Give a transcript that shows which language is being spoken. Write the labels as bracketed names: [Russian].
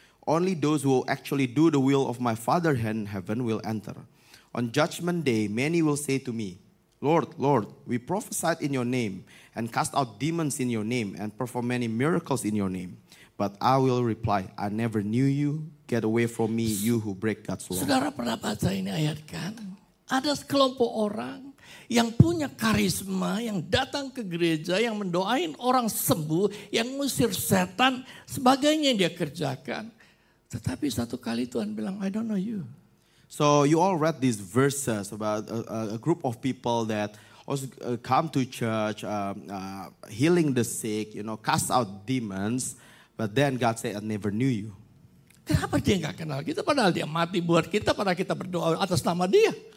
[English] Only those who actually do the will of my Father in heaven will enter. On judgment day, many will say to me, Lord, Lord, we prophesied in your name and cast out demons in your name and performed many miracles in your name. But I will reply, I never knew you. Get away from me, you who break God's law. [Indonesian] Saudara pernah baca ini ayat kan? Ada sekelompok orang yang punya karisma, yang datang ke gereja, yang mendoain orang sembuh, yang ngusir setan, sebagainya yang dia kerjakan. Tetapi satu kali Tuhan bilang, [English] I don't know you. So you all read these verses about a group of people that also come to church, healing the sick, you know, cast out demons. But then God said, I never knew you. [Indonesian] Kenapa dia gak kenal kita? Padahal dia mati buat kita, padahal kita berdoa atas nama dia.